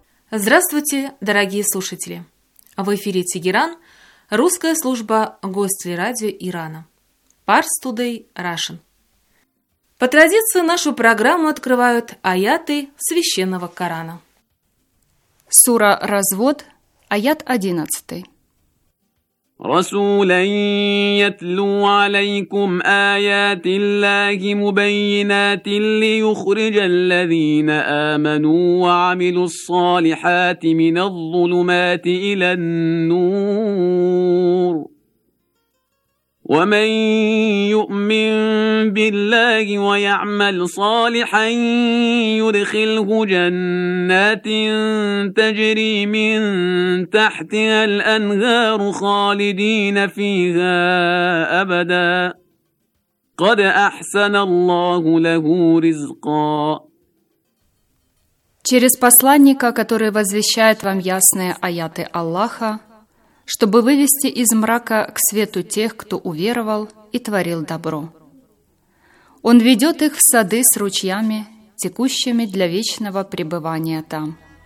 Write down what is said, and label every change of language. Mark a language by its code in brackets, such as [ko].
[ru] Здравствуйте, дорогие слушатели! В эфире Тегеран, русская служба гостелерадио Ирана. [en] Pars Today Russian. [ru] По традиции нашу программу открывают аяты священного Корана. Сура «Развод», аят 11. [ar] رسولا يتلو عليكم آيات الله مبينات ليخرج الذين آمنوا وعملوا الصالحات من الظلمات إلى النور ومن يؤمن بالله ويعمل صالحا يدخله جنات تجري من تحتها الأنهار خالدين فيها أبدا قد أحسن الله له رزقا. [ru] Через посланника, который возвещает вам ясные аяты Аллаха, чтобы вывести из мрака к свету тех, кто уверовал и творил добро. Он ведет их в сады с ручьями, текущими для вечного пребывания там.